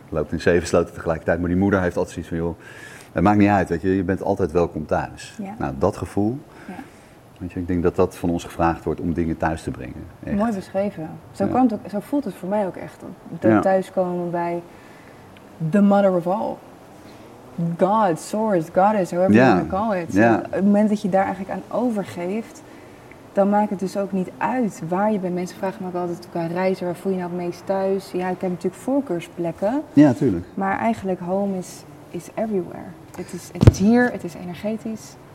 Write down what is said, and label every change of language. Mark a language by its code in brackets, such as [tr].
[nl] Loopt in 7 sloten tegelijkertijd, maar die moeder heeft altijd zoiets van het maakt niet uit, weet je, je bent altijd welkom thuis. Ja. Nou, dat gevoel, weet je, ik denk dat dat van ons gevraagd wordt om dingen thuis te brengen. Echt. Mooi beschreven. Zo voelt het voor mij ook echt. Thuiskomen bij [en] the mother of all. God, source, goddess, however you want to call it. Yeah. [nl] Op het moment dat je daar eigenlijk aan overgeeft, dan maakt het dus ook niet uit waar je bent. Mensen vragen me ook altijd qua reizen, waar voel je nou het meest thuis? Ja, ik heb natuurlijk voorkeursplekken. Ja, tuurlijk. Maar eigenlijk [en] home is everywhere. [nl] Het is hier, het is energetisch.